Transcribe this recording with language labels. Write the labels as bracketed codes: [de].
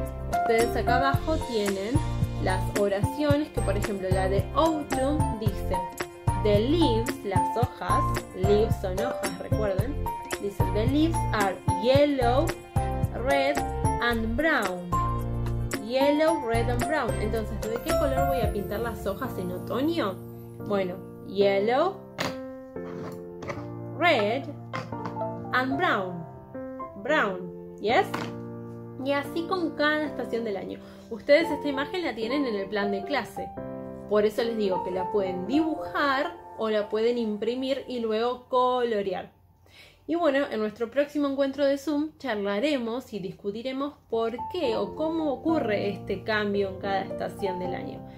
[es] Ustedes acá abajo tienen las oraciones, que por ejemplo la de Autumn dice The leaves, las hojas, leaves son hojas, recuerden, dice [en] The leaves are yellow, red and brown. Yellow, red and brown. [es] Entonces, ¿de qué color voy a pintar las hojas en otoño? [en] Bueno, yellow, red and brown. Brown, ¿yes? [es] Y así con cada estación del año. Ustedes esta imagen la tienen en el plan de clase. Por eso les digo que la pueden dibujar o la pueden imprimir y luego colorear. Y bueno, en nuestro próximo encuentro de Zoom charlaremos y discutiremos por qué o cómo ocurre este cambio en cada estación del año.